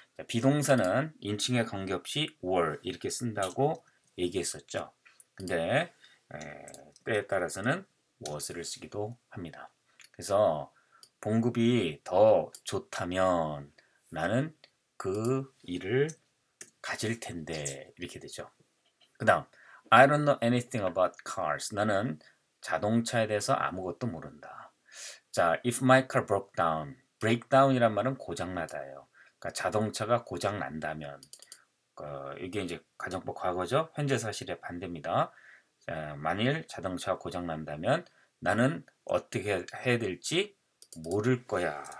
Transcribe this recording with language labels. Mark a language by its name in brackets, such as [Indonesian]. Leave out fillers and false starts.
[Korean] 비동사는 인칭의 관계없이 were 이렇게 쓴다고 얘기했었죠. 근데 때에 따라서는 was를 쓰기도 합니다. 그래서 봉급이 더 좋다면 나는 그 일을 가질 텐데 이렇게 되죠. 그 다음 [English] I don't know anything about cars. [Korean] 나는 자동차에 대해서 아무것도 모른다. [English] 자, if my car broke down, [Korean] breakdown이란 말은 고장나다예요. 그러니까 자동차가 고장난다면, 이게 이제 가정법 과거죠? 현재 사실의 반대입니다. 자, 만일 자동차가 고장난다면 나는 어떻게 해야 될지 모를 거야.